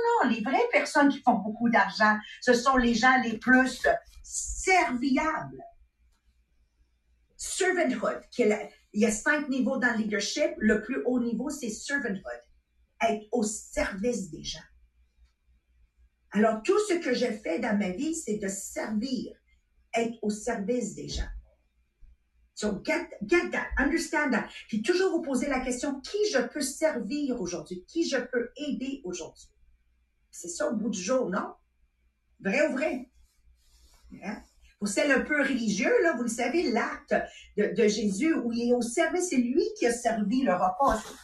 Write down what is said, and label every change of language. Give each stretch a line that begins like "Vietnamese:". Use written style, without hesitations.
French: Les vraies personnes qui font beaucoup d'argent, ce sont les gens les plus serviables. Servanthood. Il y a 5 niveaux dans le leadership. Le plus haut niveau, c'est servanthood. Être au service des gens. Alors, tout ce que j'ai fait dans ma vie, c'est de servir, être au service des gens.
English: So, get that, understand that.
French: Puis toujours vous poser la question, qui je peux servir aujourd'hui? Qui je peux aider aujourd'hui? C'est ça au bout du jour, non? Vrai ou vrai? Hein? Pour celle un peu religieux, là, vous le savez, l'acte de Jésus où il est au service, c'est lui qui a servi le repas.